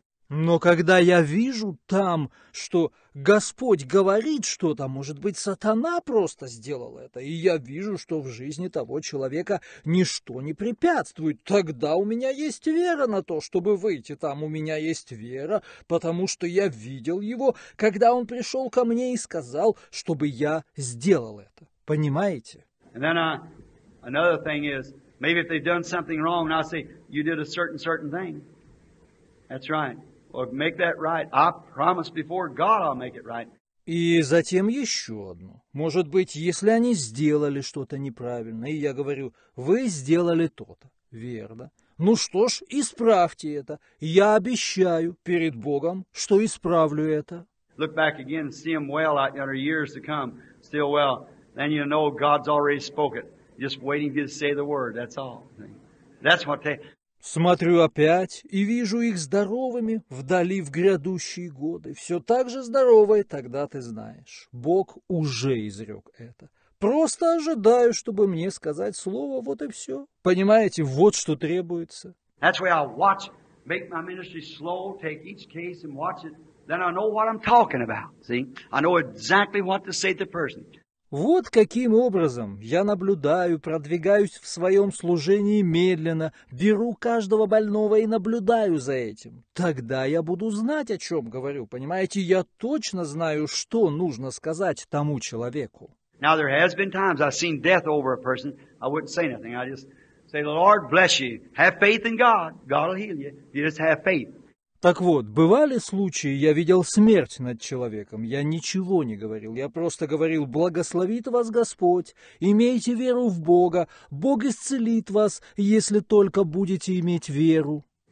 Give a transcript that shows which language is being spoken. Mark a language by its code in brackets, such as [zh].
[ru] Но когда я вижу там, что Господь говорит что-то, может быть, сатана просто сделал это, и я вижу, что в жизни того человека ничто не препятствует, тогда у меня есть вера на то, чтобы выйти там. У меня есть вера, потому что я видел его, когда он пришел ко мне и сказал, чтобы я сделал это. Понимаете? [en] And then another thing is, maybe if they've done something wrong, I say, you did a certain thing. That's right. Or make that right. I promise before God I'll make it right. [ru] И затем еще одно. Может быть, если они сделали что-то неправильно, и я говорю, вы сделали то-то, верно? Ну что ж, исправьте это. Я обещаю перед Богом, что исправлю это. [en] Look back again and see him well out in our years to come, still well. Then you know God's already spoken. Just waiting to say the word, that's all. That's what they... [ru] Смотрю опять и вижу их здоровыми вдали в грядущие годы. Все так же здоровые, тогда ты знаешь. Бог уже изрек это. Просто ожидаю, чтобы мне сказать слово, вот и все. Понимаете, вот что требуется. [en] That's why I watch, make my ministry slow, take each case and watch it. Then I know what I'm talking about, see? I know exactly what to say to the person. [ru] Вот каким образом я наблюдаю, продвигаюсь в своем служении медленно, беру каждого больного и наблюдаю за этим. Тогда я буду знать, о чем говорю. Понимаете, я точно знаю, что нужно сказать тому человеку. [en] Now there has been times I've seen death over a person. I wouldn't say anything. I just say, Lord, bless you. Have faith in God. God will heal you. You just have faith. [ru] Так вот, бывали случаи, я видел смерть над человеком, я ничего не говорил, я просто говорил, благословит вас Господь, имейте веру в Бога, Бог исцелит вас, если только будете иметь веру.